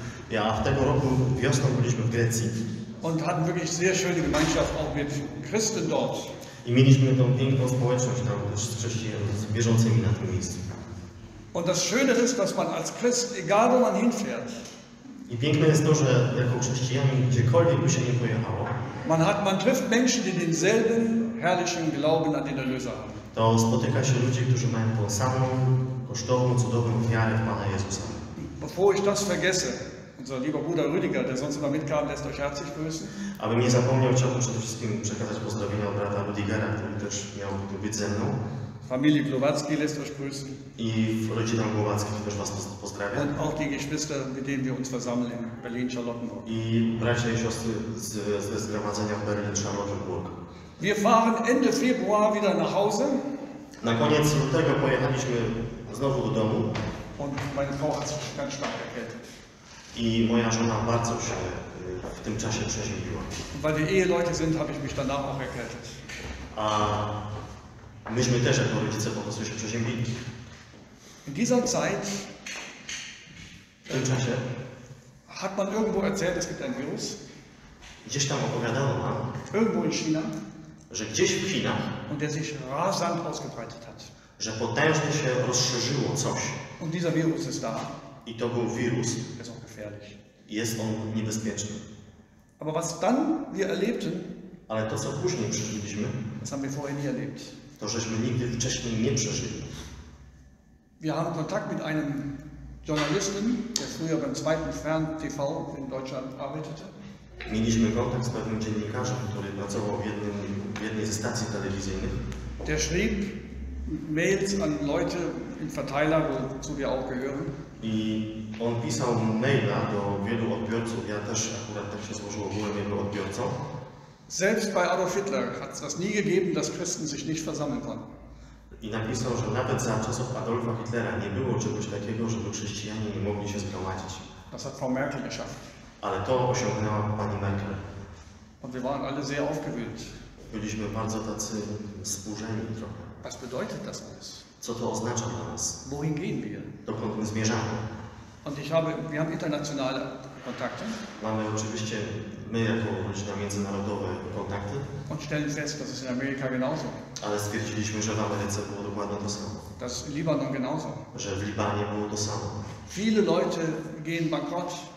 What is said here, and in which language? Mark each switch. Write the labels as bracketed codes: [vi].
[pl] Ja, w tego roku wiosną byliśmy w Grecji. [de] Und hatten wirklich sehr schöne Gemeinschaft auch mit Christen dort. [pl] I mieliśmy tą piękną społeczność tam też z chrześcijanami wierzącymi na tym miejscu. [de] Und das Schöne ist, dass man als Christ, egal wo man hinfährt, [pl] i piękne jest to, że jako chrześcijanin gdziekolwiek by się nie pojechało, [de] man trifft Menschen, die denselben herrlichen Glauben an den Erlöser haben. [pl] To spotyka się ludzi, którzy mają tą samą kosztowną, cudowną wiarę w Pana Jezusa. [de] Bevor ich das vergesse, unser lieber Bruder Rüdiger, der sonst immer mitkam, lässt euch herzlich grüßen. [pl] Aby nie zapomniał, chciałbym przede wszystkim przekazać pozdrowienia od brata Rüdigera, który też miał tu być ze mną. [de] Familie Glowacki lässt euch grüßen. [pl] I rodzina Glowacki też was pozdrawia. [de] Und auch die Geschwister, mit denen wir uns versammeln in Berlin-Charlottenburg. [pl] I bracia i siostry ze zgromadzenia w Berlin-Charlottenburg. [de] Wir fahren Ende Februar wieder nach Hause. [pl] Na koniec lutego pojechaliśmy znowu do domu. [de] Und meine Frau hat sich ganz stark erkältet. [pl] I moja żona bardzo się w tym czasie przeziębiła. [de] Weil wir Eheleute sind, habe ich mich danach auch erkältet. [pl] A myśmy też jako rodzice po prostu się przeziębili. [de] In dieser Zeit, [pl] w tym czasie [de] hat man irgendwo erzählt, es gibt ein Virus. [pl] Gdzieś tam opowiadało nam. [de] Irgendwo in China, [pl] że gdzieś w Chinach. [de] Und der sich rasant ausgebreitet hat. [pl] Że potężnie się rozszerzyło coś. [de] Und dieser Virus ist da. [pl] I to był wirus. [de] Ist auch gefährlich. [pl] Jest on niebezpieczny. [de] Aber was dann wir erlebten, [pl] ale to, co później przeżyliśmy, [de] das haben wir vorher nie erlebt. [pl] To, żeśmy nigdy wcześniej nie przeżyli. [de] Wir haben Kontakt mit einem Journalisten, der früher beim zweiten Fern-TV in Deutschland arbeitete. [pl] Mieliśmy kontakt z pewnym dziennikarzem, który pracował w jednej ze stacji telewizyjnych. [de] Der schrieb Mails an Leute im Verteiler, wozu wir auch gehören. [pl] I on pisał maila do wielu odbiorców, ja też akurat tak się złożyło, byłem jego odbiorcą. [de] Selbst bei Adolf Hitler hat es das nie gegeben, dass Christen sich nicht versammeln konnten. [pl] I napisał, że nawet za czasów Adolfa Hitlera nie było czegoś takiego, żeby chrześcijanie nie mogli się zgromadzić. [de] Das hat Frau Merkel geschafft. [pl] Ale to osiągnęła pani Merkel. [de] Und wir waren alle sehr aufgewühlt. [pl] Byliśmy bardzo tacy wzburzeni trochę. [de] Was bedeutet das alles? [pl] Co to oznacza dla nas? [de] Wohin gehen wir? [pl] Dokąd my zmierzamy? [de] Und wir haben internationale Kontakte. [pl] Mamy oczywiście my jako rodzina międzynarodowe kontakty. [de] Und stellen fest, dass es in Amerika genauso. [pl] Ale stwierdziliśmy, że w Ameryce było dokładnie to samo. [de] Das in Libanon genauso. [pl] Że w Libanie było to samo. [de] Viele Leute gehen bankrott.